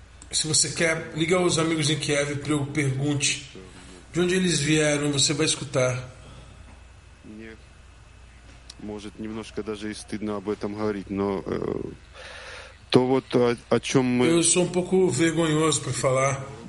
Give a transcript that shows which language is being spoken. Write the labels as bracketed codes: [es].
[pt] Se você quer, liga aos amigos em Kiev e pergunte de onde eles vieram, você vai escutar. [ru] Может немножко даже и стыдно об этом говорить, но то вот о чем мы. [pt] Eu sou um pouco vergonhoso para falar.